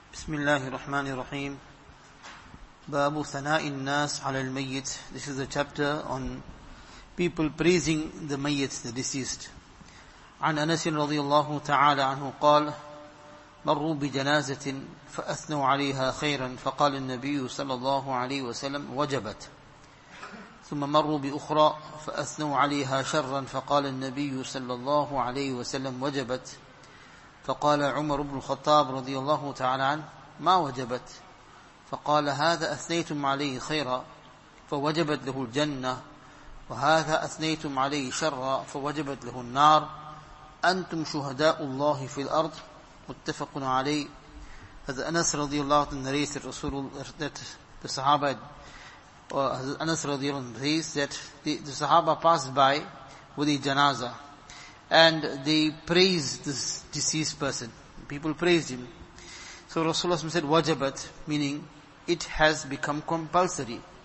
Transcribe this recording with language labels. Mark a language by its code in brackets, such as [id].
[ar] بسم الله الرحمن الرحيم باب ثناء الناس على الميت. [en] This is a chapter on people praising the mayyit, the deceased. [ar] عن أنس رضي الله تعالى عنه قال مروا بجنازة فأثنوا عليها خيرا فقال النبي صلى الله عليه وسلم وجبت ثم مروا بأخرى فأثنوا عليها شرا فقال النبي صلى الله عليه وسلم وجبت فقال عمر بن الخطاب رضي الله تعالى عنه ما وجبت فقال هذا أثنيتم عليه خيرا فوجبت له الجنة وهذا أثنيتم عليه شرا فوجبت له النار أنتم شهداء الله في الأرض متفق عليه. هذا أنس رضي الله عنه نريس [en] الرسول الصحابة هذا أنس رضي الله عنه narrates that the Sahaba passed by with a janaza and they praised this deceased person. People praised him. So Rasulullah said, wajabat, meaning it has become compulsory.